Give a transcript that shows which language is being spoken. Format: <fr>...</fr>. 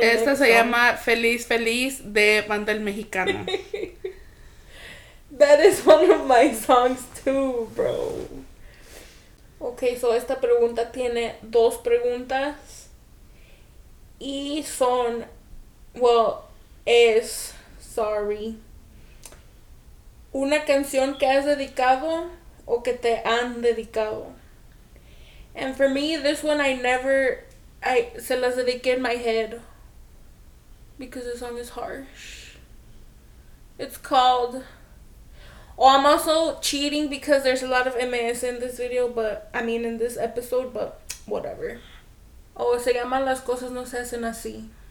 <es>Esta se llama Feliz Feliz de Banda El Mexicano.</es> <en>That is one of my songs too, bro. Okay, so</en> <es>esta pregunta tiene dos preguntas. Y son... Una canción que has dedicado o que te han dedicado.</es> <en>And for me, this one I</en> <es>se las dediqué</es> <en>in my head. Because the song is harsh. It's called... Oh, I'm also cheating because there's a lot of MS in this video, but... I mean, in this episode, but whatever.</en> <es>Oh, se llama Las Cosas No Se Hacen Así.</es>